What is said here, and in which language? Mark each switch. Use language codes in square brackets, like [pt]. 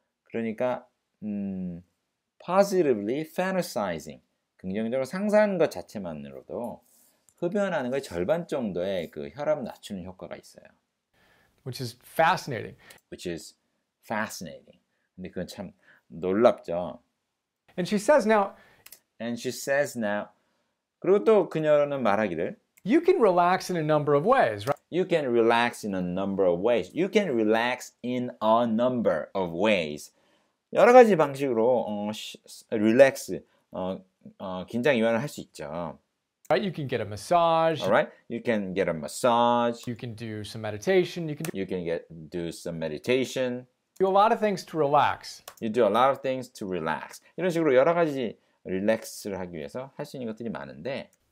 [ko] 그러니까 [en] positively fantasizing, [ko] 긍정적으로 상상하는 것 자체만으로도 흡연하는 것의 절반 정도의 그 혈압 낮추는 효과가 있어요. [en] Which is fascinating. Which is fascinating. [ko] 근데 그건 참 놀랍죠. [en] And she says now. And she says now. [ko] 그리고 또 그녀는 말하기를. [en] You can relax in a number of ways, right? You can relax in a number of ways. You can relax in a number of ways. [ko] 여러 가지 방식으로 relax, 긴장 이완을 할 수 있죠. [en] Right, you can get a massage. All right, you can get a massage. You can do some meditation. You can do some meditation. You do a lot of things to relax. You do a lot of things to relax. [ko] 이런 식으로 여러 가지 relax를 하기 위해서 할 수 있는 것들이 많은데.